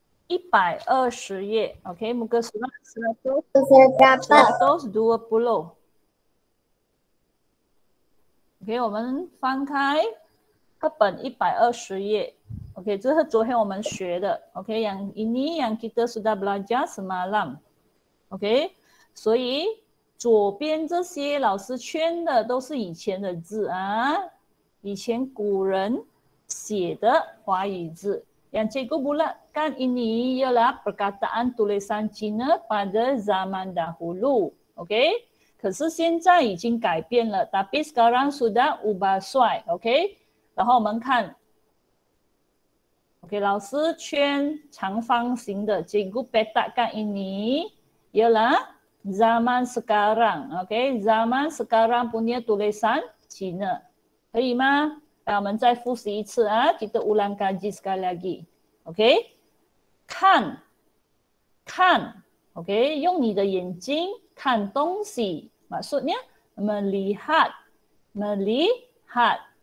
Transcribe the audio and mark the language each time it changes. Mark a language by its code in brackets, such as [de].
[ms] Okay, muka surat 120. [zh] Okay, 我们翻开课本120页。 OK, 这是昨天我们学的。 [ms] OK, yang ini yang kita sudah belajar semalam. [zh] OK, 所以左边这些老师圈的都是以前的字啊，以前古人写的华语字。 [ms] Yang cikgu bulatkan ini ialah perkataan tulisan Cina pada zaman dahulu. [zh] OK, 可是现在已经改变了， [ms] tapi sekarang sudah ubah suai. [zh] OK, 然后我们看。 Okay, 老师圈长方形的 [ms] cikgu petakkan ini ialah zaman sekarang. Okay, zaman sekarang punya tulisan Cina. [zh] 可以吗？让我们再复习一次啊，记得 [ms] ulang kaji sekali lagi. [zh] Okay, 看，看。 Okay, 用你的眼睛看东西， [ms] maksudnya melihat, melihat.